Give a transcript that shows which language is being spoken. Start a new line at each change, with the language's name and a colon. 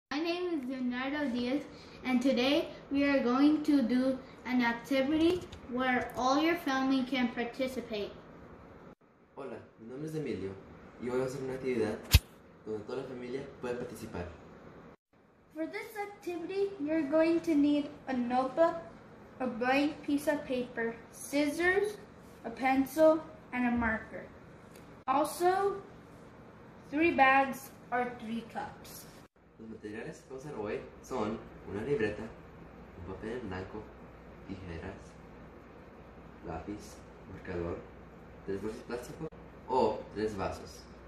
English: the Night of Ideas, and today we are going to do an activity where all your family can participate.
Spanish: Hola, mi nombre es Emilio, y voy a hacer una actividad donde toda la familia puede participar.
English: For this activity, you're going to need a notebook, a blank piece of paper, scissors, a pencil, and a marker. Also, three bags or three cups.
Spanish: Los materiales que vamos a robar son una libreta, un papel en blanco, tijeras, lápiz, marcador, tres bolsas de plástico o tres vasos.